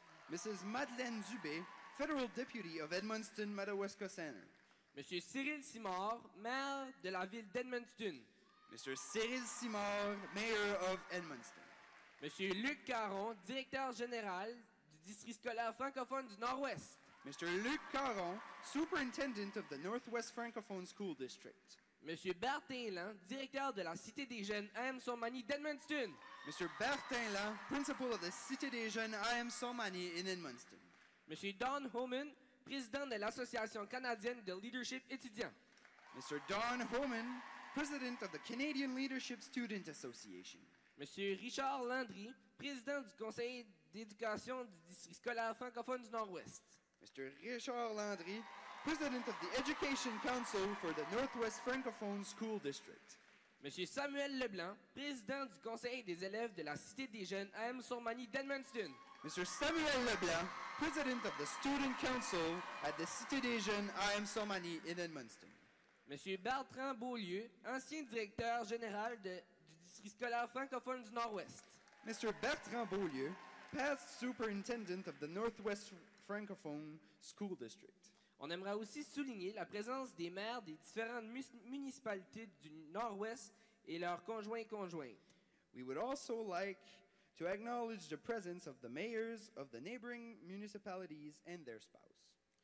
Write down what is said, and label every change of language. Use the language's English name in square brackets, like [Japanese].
[English] Mrs. Madeleine Dubé, Federal Deputy of Edmundston-Madawaska-Centre. [French] Monsieur Cyril Simard, maire de la ville d'Edmundston. [English] Mr. Cyril Simard, Mayor of Edmundston. [French] Monsieur Luc Caron, directeur général du district scolaire francophone du Nord-Ouest. [English] Mr. Luc Caron, Superintendent of the Northwest Francophone School District. [French] Monsieur Bertin Lan, directeur de la Cité des Jeunes A.M. Somani d'Edmundston. [English] Mr. Bertin Lan, Principal of the Cité des Jeunes A.M. Somani in Edmundston. [French] Monsieur Don Homan, Président de l'Association canadienne de leadership étudiant. [English] Mr. Don Homan, President of the Canadian Leadership Student Association. [French] Monsieur Richard Landry, Président du Conseil d'éducation du district scolaire francophone du Nord-Ouest. [English] Mr. Richard Landry, President of the Education Council for the Northwest Francophone School District. [French] Monsieur Samuel Leblanc, President du Conseil des élèves de la Cité des Jeunes A.M. Somani d'Edmundston. [English] Mr. Samuel Leblanc, President of the Student Council at the Cité des Jeunes A.M. Somani in Edmundston. [French] Monsieur Bertrand Beaulieu, ancien directeur général du district scolaire francophone du Nord-Ouest. [English] Mr. Bertrand Beaulieu, past superintendent of the Northwest Francophone School District. [French] On aimerait aussi souligner la présence des maires des différentes municipalités du Nord-Ouest et leurs conjoints et conjointes. [English] We would also like to acknowledge the presence of the mayors of the neighboring municipalities and their spouses.